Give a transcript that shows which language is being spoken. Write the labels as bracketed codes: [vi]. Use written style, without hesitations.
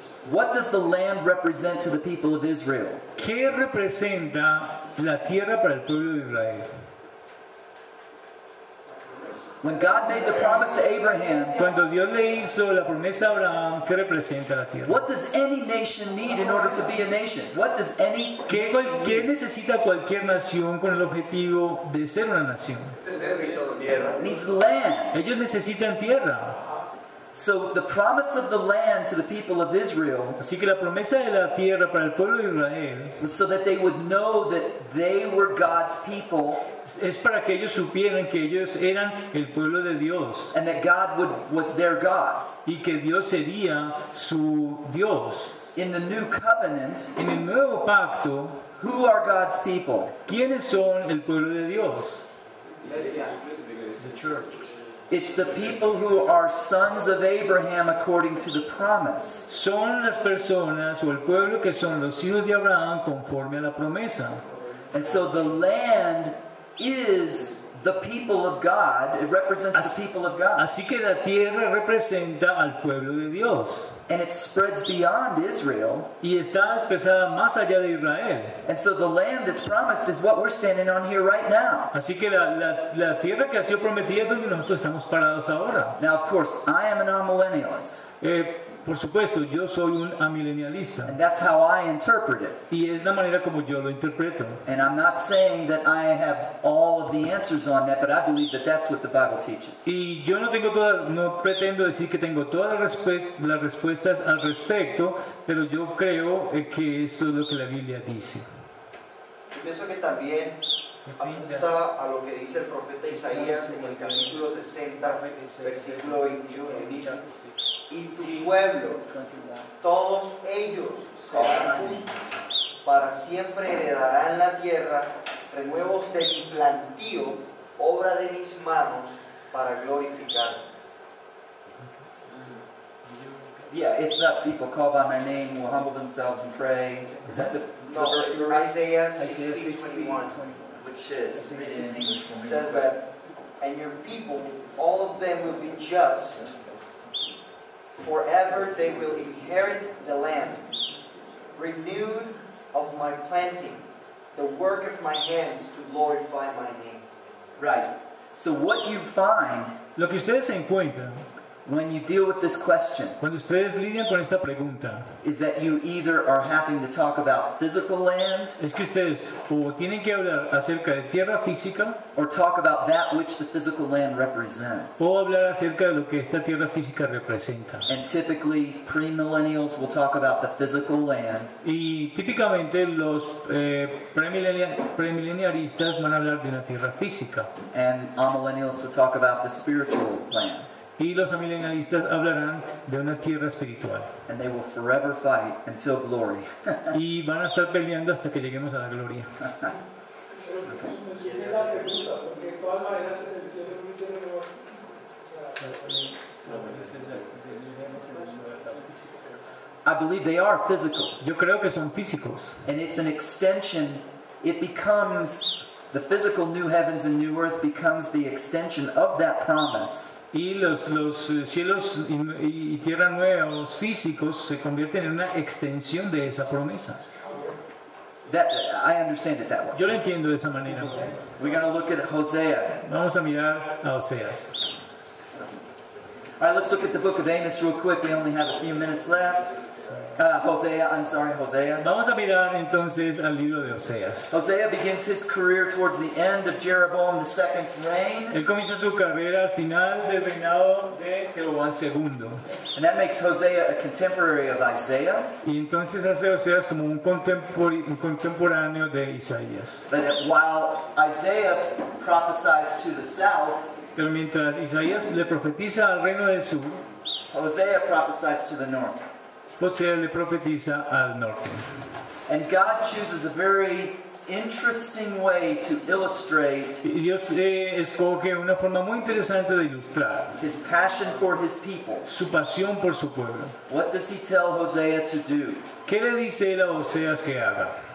[en] What does the land represent to the people of Israel? [es] ¿Qué representa la tierra para el pueblo de Israel? [en] When God made the promise to Abraham, [es] cuando Dios le hizo la promesa a Abraham, ¿qué representa la tierra? [en] What does any nation need in order to be a nation? What does any [es] ¿Qué, [en] nation [es] ¿qué necesita cualquier nación con el objetivo de ser una nación? [en] Needs land. [es] Ellos necesitan tierra. [en] So the promise of the land to the people of Israel, [es] así que la promesa de la tierra para el pueblo de Israel, [en] was so that they would know that they were God's people, [es] es para que ellos supieran que ellos eran el pueblo de Dios, [en] and that God would, was their God, [es] y que Dios sería su Dios. [en] In the new covenant, [es] en el nuevo pacto, [en] who are God's people? [es] ¿Quiénes son el pueblo de Dios? [en] The church. It's the people who are sons of Abraham according to the promise. [es] Son las personas o el pueblo que son los hijos de Abraham conforme a la promesa. [en] And so the land is the people of God. It represents [es] así, [en] the people of God. [es] Así que la tierra representa al pueblo de Dios. [en] And it spreads beyond Israel. [es] Y está expresada más allá de Israel. [en] And so the land that's promised is what we're standing on here right now. [es] Así que la tierra que ha sido prometida es donde nosotros estamos parados ahora. [en] Now, of course, I am an amillennialist. [es] Por supuesto, yo soy un amilenialista. [en] And that's how I interpret it. [es] Y es la manera como yo lo interpreto. [en] And I'm not saying that I have all of the answers on that, but I believe that that's what the Bible teaches. [es] Y yo no pretendo decir que tengo todas las respuestas al respecto, pero yo creo que esto es lo que la Biblia dice. Pienso que también apunta a lo que dice el profeta Isaías en el capítulo 60, versículo 21, que dice: y tu pueblo, todos ellos serán justos, para siempre heredarán la tierra, renuevos de mi plantío, obra de mis manos, para glorificar. [en] Yeah, if that people call by my name will humble themselves and pray. Is that the verse you read? Isaiah 60:21, which is written in English for me. Says that, and your people, all of them will be just. Forever they will inherit the land, renewed of my planting, the work of my hands to glorify my name. Right. So what you find, [es] lo que ustedes se encuentran, [en] when you deal with this question, [es] cuando ustedes lidian con esta pregunta, [en] is that you either are having to talk about physical land, [es] es que ustedes o tienen que hablar acerca de tierra física, [en] or talk about that which the physical land represents, [es] o hablar acerca de lo que esta tierra física representa. [en] And typically, premillennials will talk about the physical land. [es] Y típicamente los premillennialistas van a hablar de una tierra física. [en] And amillennials will talk about the spiritual land. [es] Y los amilenialistas hablarán de una tierra espiritual. [en] And they will forever fight until glory. [es] Y van a estar peleando hasta que lleguemos a la gloria. [en] I believe they are physical. [es] Yo creo que son físicos. [en] And it's an extension. It becomes the physical new heavens and new earth becomes the extension of that promise. [es] Y los cielos y tierra nueva, los físicos, se convierten en una extensión de esa promesa. [en] That, I understand it that way. [es] Yo lo entiendo de esa manera. [en] We're going to look at Hosea. [es] Vamos a mirar a Oseas. [en] All right, let's look at the book of Amos real quick. We only have a few minutes left. Hosea. [es] Vamos a mirar entonces al libro de Oseas. [en] Hosea begins his career towards the end of Jeroboam II's reign. [es] Él comienza su carrera al final del reinado de Jeroboam II. [en] And that makes Hosea a contemporary of Isaiah. [es] Y entonces hace Oseas como un contemporáneo de Isaías. [en] But while Isaiah prophesies to the south, [es] pero mientras Isaías le profetiza al reino del sur, [en] Hosea prophesies to the north. [es] Hosea le profetiza al norte. [en] And God chooses a very interesting way to illustrate. [es] Y Dios escoge una forma muy interesante de ilustrar. [en] His passion for his people. [es] Su pasión por su pueblo. [en] What does he tell Hosea to do? [es] ¿Qué le dice él a Oseas que haga?